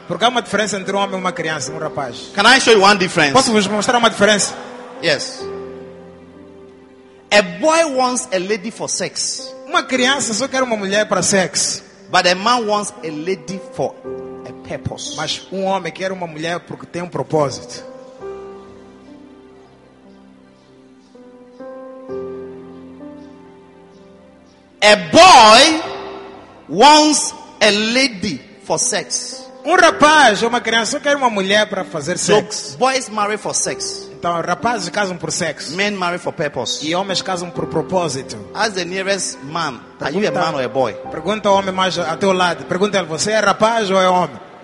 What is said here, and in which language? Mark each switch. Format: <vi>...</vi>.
<pt>Porque há uma diferença entre um homem e uma criança, um rapaz.</pt> <en>Can I show you one difference?</en> <pt>Posso vos mostrar uma diferença?</pt> <en>Yes. A boy wants a lady for sex.</en> <pt>Uma criança só quer uma mulher para sexo.</pt> <en>But a man wants a lady for a purpose.</en> <pt>Mas um homem quer uma mulher porque tem um propósito.</pt> <en>A boy wants a lady for sex.</en> <pt>Um rapaz ou uma criança só quer uma mulher para fazer sexo.</pt> <en>So, boys marry for sex.</en> <pt>Então, rapazes casam por sexo.</pt> <en>Men marry for purpose.</en> <pt>E homens casam por propósito.</pt> <en>As the nearest man, pergunta, are you a man or a boy?</en> <pt>Pergunta ao homem mais ao teu lado. Pergunta ele, você é rapaz ou é homem?</pt>